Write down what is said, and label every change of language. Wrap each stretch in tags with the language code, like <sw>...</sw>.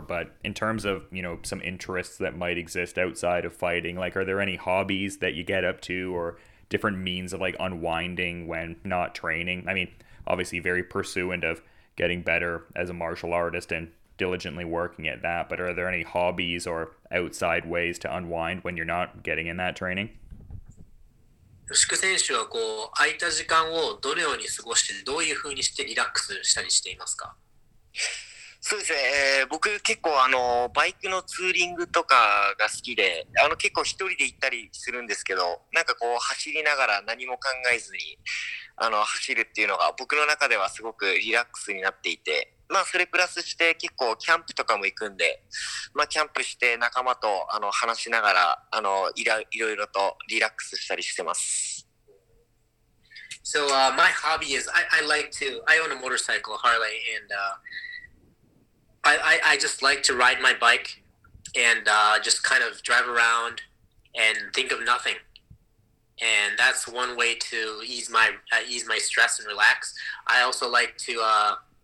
<en>But in terms of, you know, some interests that might exist outside of fighting, like are there any hobbies that you get up to or different means of like unwinding when not training? I mean, obviously very pursuant of getting better as a martial artist and diligently working at that. But are there any hobbies or outside ways to unwind when you're not getting in that training?</en> <ja>牛久選手はこう空いた時間をどのように過ごして、どういうふうにしてリラックスしたりしていますか？そうですね、僕結構バイクのツーリングとかが好きで、結構一人で行ったりするんですけど、なんかこう走りながら何も考えずに走るっていうのが僕の中ではすごくリラックスになっていて、まあそれプラスして結構キャンプとかも行くんで、まあキャンプして仲間と話しながらいろいろとリラックスしたりしてます。</ja> <en>So my hobby is I own a motorcycle, Harley, and I just like to ride my bike and just kind of drive around and think of nothing, and that's one way to ease my stress and relax. I also like to</en>